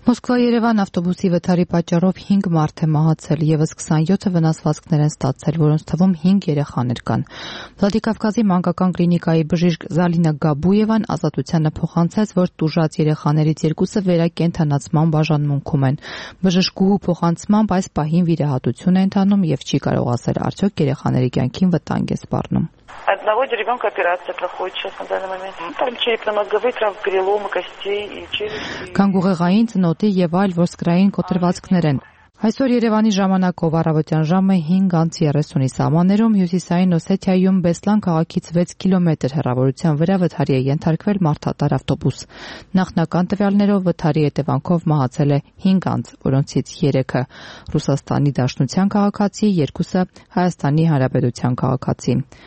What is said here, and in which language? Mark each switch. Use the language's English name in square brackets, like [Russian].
[Armenian] Մոսկվա-Երևան ավտոբուսի վթարի պատճառով 5 մարդ է մահացել եւս 27-ը վնասվածքներ են ստացել, որոնց թվում 5 երեխաներ կան։ Վլադիկավկազի մանկական կլինիկայի բժիշկ Զալինա Գաբուևան ազատությանը փոխանցեց, որ տուժած երեխաներից երկուսը վերակենդանացման բաժանմունքում են։ Բժշկուհու փոխանցմամբ այս պահին վիրահատություն է ընթանում եւ չի կարող ասել, արդյոք երեխաների կյանքին վտանգ է սպառնում։ [Russian] Одного ребенка операция проходит сейчас на данный момент. Там черепно-мозговые травмы, переломы костей и челюсти. [Armenian] Կանգուղեղային ծնոտի եւ այլ ոսկրային կոտրվածքներ են։ Այսօր Երևանի ժամանակով առավոտյան ժամը 5:30-ի սահմաններում Հյուսիսային Օսեթիայում Բեսլան քաղաքից 6 կիլոմետր հեռավորության վրա վթարի է ենթարկվել մարդատար ավտոբուս։ Նախնական տվյալներով վթարի հետևանքով մահացել է 5 անձ, որոնցից 3-ը Ռուսաստանի Դաշնության քաղաքացի, 2-ը Հայաստանի Հանրապետության քաղաքացի։